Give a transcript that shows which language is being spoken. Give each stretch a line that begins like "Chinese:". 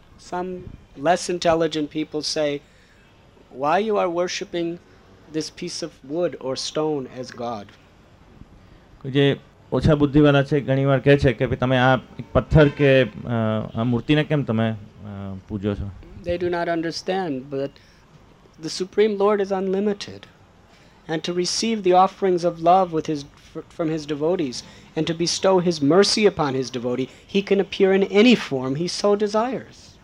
English: Some less intelligent people say, why you are worshipping this piece of wood or stone as God?
Gujarati: જે ઓછા બુદ્ધિવાળા છે ઘણીવાર કહે છે કે તમે આ પથ્થર કે આ મૂર્તિને કેમ તમે પૂજો છો?
English: They do not understand, but the Supreme Lord is unlimited. And to receive the offerings of love with his from his devotees and to bestow his mercy upon his devotee, he can appear in any form he so desires.